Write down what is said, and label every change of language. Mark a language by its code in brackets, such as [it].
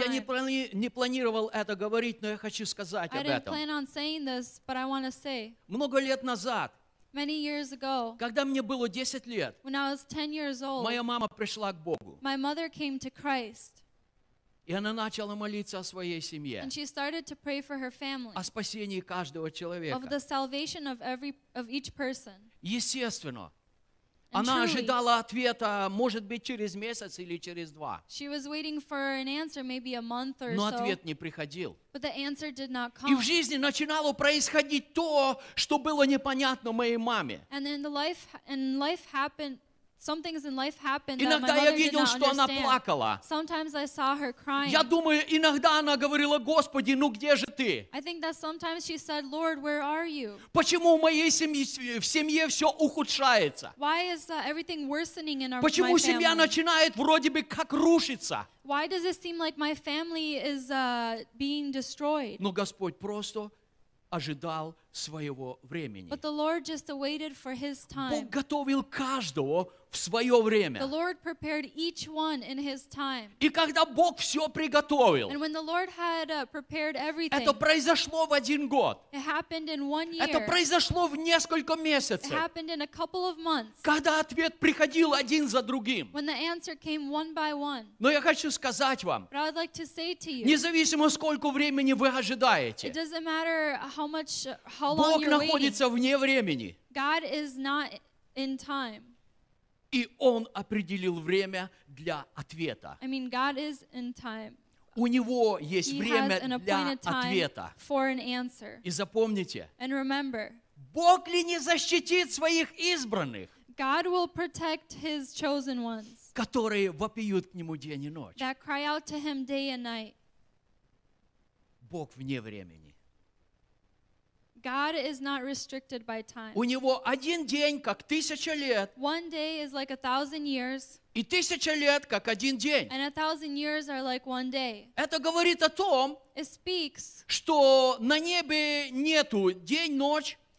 [ru] Я не планировал это говорить, но я хочу сказать [en] I [ru] об [en] didn't [ru] этом. [en] Plan on saying this, but I want to say, [ru] много лет назад, [en] Many years ago, [ru] когда мне было 10 лет, [en] when I was 10 years old, [ru] моя мама пришла к Богу. [en] My mother came to Christ. [ru] И она начала молиться о своей семье. [en] And she started to pray for her family. [ru] О спасении каждого человека. [en] Of the salvation of every of each person. [ru] Естественно, она ожидала ответа, может быть, через месяц или через два. [en] She was waiting for an answer, maybe a month or so. [ru] Но ответ не приходил. [en] But the answer did not come. [ru] И в жизни начинало происходить то, что было непонятно моей маме. [en] And then the life and life happened. Some things in life happen that [ru] иногда [en] my mother [ru] видел, [en] did not understand. Sometimes I saw her crying. [ru] Я думаю, иногда она говорила: Господи, ну где же ты? [en] I think that sometimes she said, Lord, where are you? [ru] Почему в моей семье, в семье все ухудшается? [en] Why is everything worsening in our [ru] Почему [en] my family? [ru] Почему семья начинает вроде бы как рушиться? [en] Why does it seem like my family is being destroyed? [ru] Но Господь просто ожидал своего времени. [en] But the Lord just awaited for his time. [ru] Бог готовил каждого в свое время. [en] The Lord prepared each one in his time. [ru] И когда Бог все приготовил, [en] and when the Lord had prepared everything, [ru] это произошло в один год. [en] It happened in one year. [ru] Это произошло в несколько месяцев. [en] It happened in a couple of months. [ru] Когда ответ приходил один за другим. [en] When the answer came one by one. [ru] Но я хочу сказать вам, [en] but I would like to say to you, [ru] независимо сколько времени вы ожидаете, [en] it doesn't matter how much, how long you're [ru] находится [en] waiting, [ru] вне времени. [en] God is not in time. [ru] И Он определил время для ответа. [en] I mean, God is in time. [ru] У Него есть [en] He [ru] время для ответа. [en] For an answer. [ru] И запомните, [en] and remember, [ru] Бог ли не защитит своих избранных, [en] God will protect His chosen ones, [ru] которые вопиют к Нему день и ночь. [en] That cry out to Him day and night. [ru] Бог вне времени. [en] God is not restricted by time. [ru] У него один день как тысяча лет. [en] One day is like a thousand years. [ru] И тысяча лет как один день. [en] And a thousand years are like one day. [ru] Это говорит о том, [en] it speaks, [ru] что на небе нету день-ночь.